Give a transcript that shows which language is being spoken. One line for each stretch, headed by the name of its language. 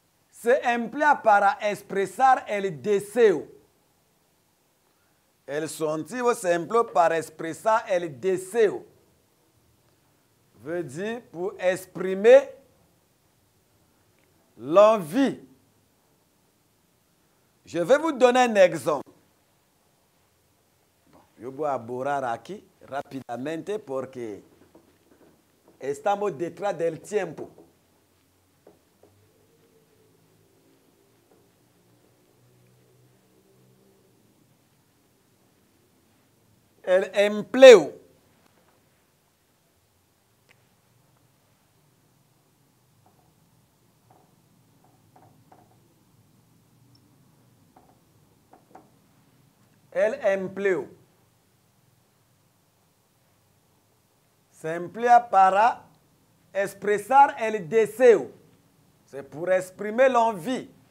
Spanish: Se emplea para expresar el deseo. El subjuntivo se emplea para expresar el deseo.
French: Veut dire pour exprimer l'envie. Je vais vous donner un exemple.
Spanish: Yo voy a borrar aquí rápidamente porque estamos detrás del tiempo. El empleo. El empleo. Se emplea para expresar el deseo.
French: C'est pour exprimer l'envie.